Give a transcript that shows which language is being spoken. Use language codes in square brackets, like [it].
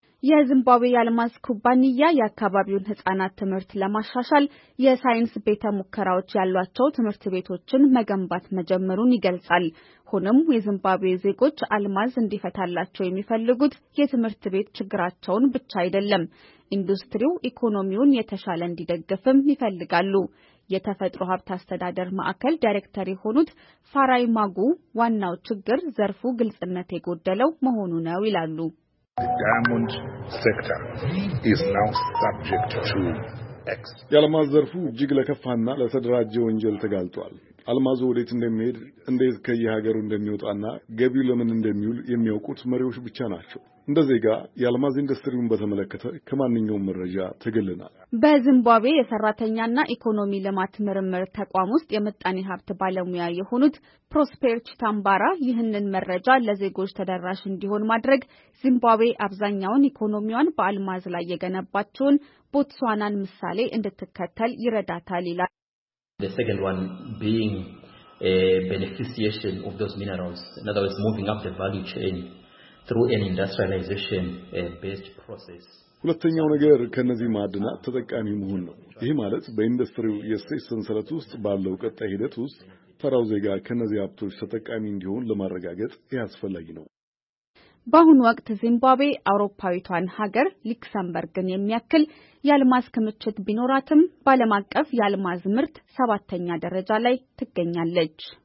[am] የዚምባብዌ ያልማዝ ኩባንያ የአካባቢውን ህጻናት ትምህርት ለማሻሻል የሳይንስ ቤተ ሙከራዎች ያሏቸው ትምህርት ቤቶችን መገንባት መጀመሩን ይገልጻል። ሆነም የዚምባብዌ ዜጎች አልማዝ እንዲፈታላቸው የሚፈልጉት የትምህርት ቤት ችግራቸውን ብቻ አይደለም፣ ኢንዱስትሪው ኢኮኖሚውን የተሻለ እንዲደግፍም ይፈልጋሉ። የተፈጥሮ ሀብት አስተዳደር ማዕከል ዳይሬክተር የሆኑት ፋራይ ማጉ ዋናው ችግር ዘርፉ ግልጽነት የጎደለው መሆኑ ነው ይላሉ። [en] The diamond sector is now subject to X. [am] የአልማዝ ዘርፉ እጅግ ለከፋና ለተደራጀ ወንጀል ተጋልጧል። አልማዙ ወዴት እንደሚሄድ፣ እንዴት ከየሀገሩ እንደሚወጣና ገቢው ለምን እንደሚውል የሚያውቁት መሪዎች ብቻ ናቸው። እንደዚህጋ የአልማዝ ኢንዱስትሪውን በተመለከተ ከማንኛውም መረጃ ተገልለናል። በዚምባብዌ የሰራተኛና ኢኮኖሚ ልማት ምርምር ተቋም ውስጥ የመጣኒ ሀብት ባለሙያ የሆኑት ፕሮስፔር ቺታምባራ ይህንን መረጃ ለዜጎች ተደራሽ እንዲሆን ማድረግ ዚምባብዌ አብዛኛውን ኢኮኖሚዋን በአልማዝ ላይ የገነባቸውን ቦትስዋናን ምሳሌ እንድትከተል ይረዳታል ይላል። [en] The second one being a beneficiation of those minerals. In other words, moving up the value chain through an industrialization-based process. [am] ሁለተኛው ነገር ከነዚህ ማዕድናት ተጠቃሚ መሆን ነው። ይህ ማለት በኢንዱስትሪው የስቴት ሰንሰለት ውስጥ ባለው ቀጣይ ሂደት ውስጥ ተራው ዜጋ ከነዚህ ሀብቶች ተጠቃሚ እንዲሆን ለማረጋገጥ ያስፈልጋል ነው። በአሁኑ ወቅት ዚምባብዌ አውሮፓዊቷን ሀገር ሊክሰምበርግን የሚያክል የአልማዝ ክምችት ቢኖራትም በዓለም አቀፍ የአልማዝ ምርት 7ኛ ደረጃ ላይ ትገኛለች።